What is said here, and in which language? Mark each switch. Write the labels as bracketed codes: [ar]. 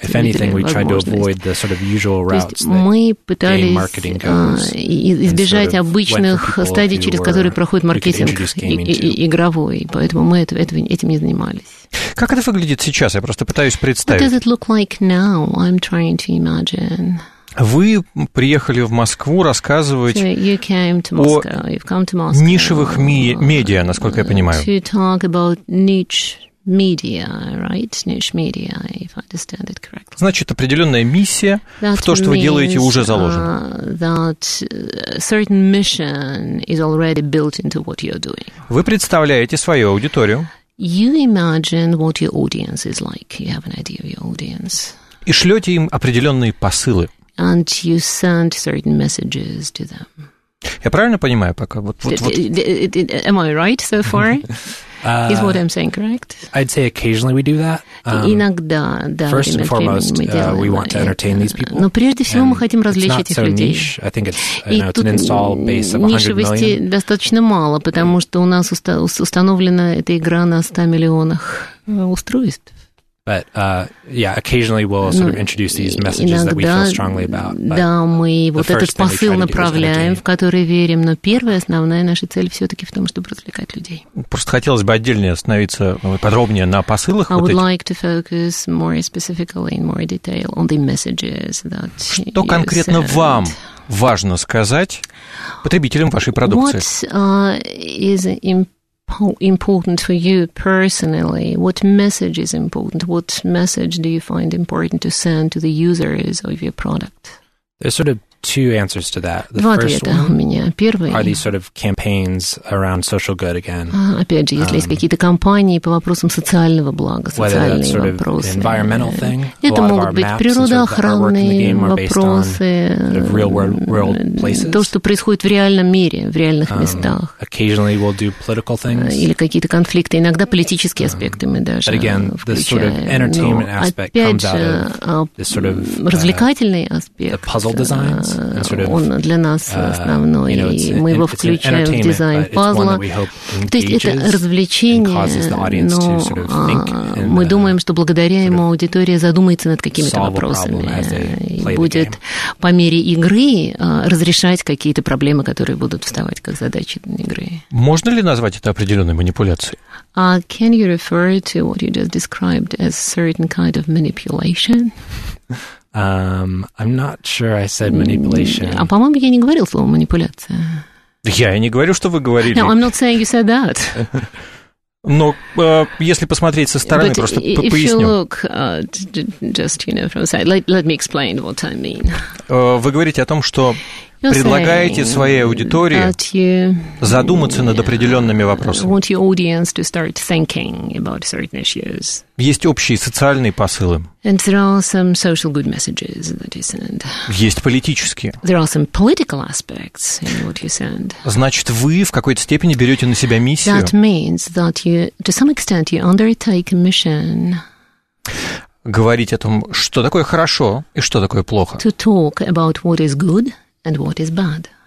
[en] So, if anything, we tried to avoid the sort of usual routes that game marketing goes. [ru] Избежать обычных стадий, через которые проходит маркетинг игровой, поэтому мы этим не занимались. Как это выглядит сейчас? Я просто пытаюсь представить. [en] What does it look like now? I'm trying to imagine. [ru] Вы приехали в Москву рассказывать [en] you came to Moscow. You've come to Moscow. [ru] О нишевых медиа, насколько я понимаю. [en] To talk about niche media, right? Niche media, if I understand it correctly. [ru] Значит, определенная миссия [en] that [ru] в то, что [en] means, [ru] вы делаете, уже заложена. [en] That certain mission is already built into what you're doing. [ru] Вы представляете свою аудиторию. [en] You imagine what your audience is like. You have an idea of your audience. [ru] И шлете им определенные посылы. [en] And you send certain messages to them. [ru] Я правильно понимаю пока? [en] Am I right so far? Is what I'm saying correct? I'd say occasionally we do that. [ru] Иногда, да. [en] First and foremost, we want to entertain these people. [ru] Но прежде всего мы хотим развлечь этих людей. [en] It's not so niche. I think it's an install base of 100 million. [ru] Нишевости достаточно мало, потому что у нас установлена эта игра на 100 миллионах устройств. [en] But yeah, occasionally we'll sort of introduce these messages [ru] иногда, [en] that we feel strongly about. [ru] Да, мы вот этот посыл направляем, в который верим, но первая основная наша цель все-таки в том, чтобы развлекать людей. Просто хотелось бы отдельнее остановиться подробнее на посылах. [en] I would like to focus more specifically in more detail on the messages that you sent. [ru] Что конкретно вам важно сказать потребителям вашей продукции? [en] Important for you personally? What message is important? What message do you find important to send to the users of your product? There's sort of two answers to that. The first one, [ru] первый, [en] are these sort of campaigns around social good again? [ru] Опять же, если есть какие-то кампании по вопросам социального блага, социальные вопросы. [en] Whether that's sort of environmental thing, [ru] это могут быть природоохранные вопросы, то, что происходит в реальном мире, в реальных местах. [en] Occasionally we'll do political things. [ru] Или какие-то конфликты, иногда политические аспекты мы даже включаем. [en] But again, the sort of entertainment aspect comes out of sort of [ru] развлекательный аспект. [en] The puzzle design. [ru] Он для нас основной, и мы его включаем в дизайн пазла. То есть это развлечение, но мы думаем, что благодаря ему аудитория задумается над какими-то вопросами и будет по мере игры разрешать какие-то проблемы, которые будут вставать как задачи игры. Можно ли назвать это определенной манипуляцией? [en] Can you refer to what you just described as certain kind of manipulation? I'm not sure I said manipulation. [ru] А, по-моему, я не говорил слово манипуляция. Я и не говорю, что вы говорили. [en] No, I'm not saying you said that. [ru] Но если посмотреть со стороны, [en] but [ru] просто [en] if [ru] поясню. [en] You look, just, you know, from the side, let me explain what I mean. [ru] Вы говорите о том, что [en] you're [ru] предлагаете своей аудитории задуматься над определенными вопросами. [en] Want your audience to start thinking about certain issues. [ru] Есть общие социальные посылы. [en] And there are some social good messages that you send. [ru] Есть политические. [en] There are some political aspects in what you send. [ru] Значит, вы в какой-то степени берете на себя миссию. [en] That means that you, to some extent, you undertake a mission. [ru] Говорить о том, что такое хорошо и что такое плохо. [en] To talk about what is good and what is bad.